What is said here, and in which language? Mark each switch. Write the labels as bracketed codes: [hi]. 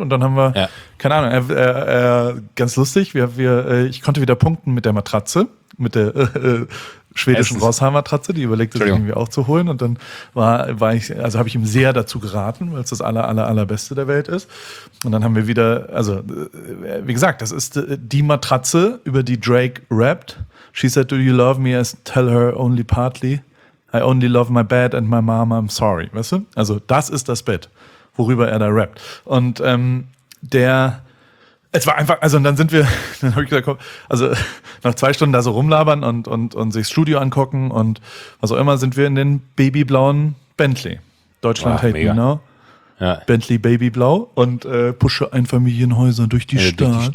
[de] Und dann haben wir, keine Ahnung, ganz lustig, ich konnte wieder punkten mit der Matratze, mit der schwedischen Rosshammer-Tratze, die überlegte sich irgendwie auch zu holen. Und dann habe ich ihm sehr dazu geraten, weil es das allerbeste der Welt ist. Und dann haben wir wieder, also wie gesagt, das ist die Matratze, über die Drake rappt. [en] She said, do you love me? I tell her only partly. I only love my bed and my mom, I'm sorry. [de] Weißt du? Also das ist das Bett, worüber er da rappt. Und dann habe ich gesagt, komm, also nach 2 Stunden da so rumlabern und sich das Studio angucken und was auch immer, sind wir in den babyblauen Bentley. Deutschland hält ihn, ne? Bentley Babyblau und pushe Einfamilienhäuser durch die Stadt.